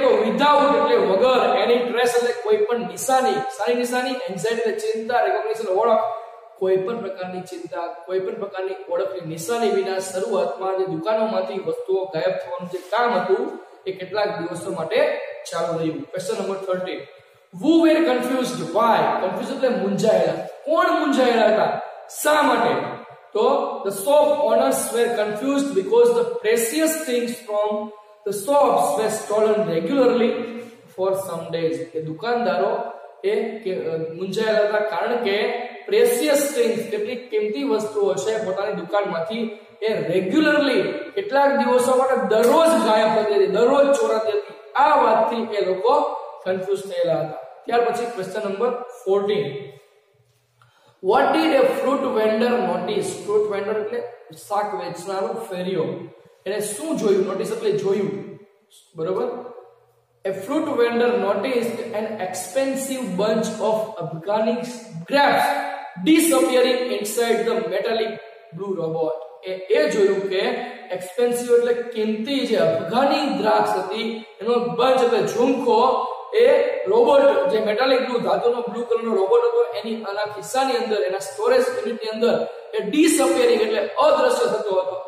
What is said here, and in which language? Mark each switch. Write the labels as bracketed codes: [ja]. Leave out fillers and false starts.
[gu] તો વિધાઉટ એટલે વગર, એની ટ્રેસ એટલે કોઈ પણ નિશાની, સારી નિશાની, એન્ઝાયટી એટલે ચિંતા, રિકોગ્નિશન ઓળખ, કોઈ પણ પ્રકારની ચિંતા, કોઈ પણ પ્રકારની ઓળખની નિશાની વિના શરૂઆતમાં જે દુકાનોમાંથી વસ્તુઓ ગાયબ થવાનું જે કામ હતું એ કેટલાક દિવસો માટે ચાલુ રહ્યું. [en] Question number 13 Who were confused? [gu] Why? Confuse એટલે મૂંઝાયેલા. કોણ મૂંઝાયેલા હતા? શા માટે? [en] તો the shop owners were confuse because the precious things from the shops were stolen regularly for some days. [gu] કે દુકાનદારો એ મૂંઝાયેલા હતા કારણ કે પ્રેશિયસ થિંગ્સ કેટલી કિંમતી વસ્તુઓ છે પોતાની દુકાનમાંથી એ રેગ્યુલરલી કેટલાક દિવસો માટે દરરોજ ગાયબ થઈ હતી, દરરોજ ચોરાતી હતી. આ વાતથી એ લોકો કન્ફ્યુઝ થયેલા હતા. ત્યાર પછી [en] Question number 14, what did a fruit vendor notice? [gu] Fruit vendor એટલે શાક વેચનારો ફેરિયો, એને શું જોયું? નોટિસ એટલે જોયું, બરોબર. [en] A fruit vendor noticed an expensive bunch of afghani grapes disappearing inside the metallic blue robot. [gu] એ જોયું કે એક્સપેન્સિવ એટલે કિંમતી જે અફઘાની દ્રાક્ષ હતી એનો બંચ એટલે ઝુમખો એ રોબોટ, જે મેટાલિક બ્લુ ધાતુનો બ્લુ કલરનો રોબોટ હતો એની આના ખિસ્સાની અંદર, એના સ્ટોરેજ યુનિટની અંદર એ ડિસઅપીયરિંગ એટલે અદ્રશ્ય થતો હતો.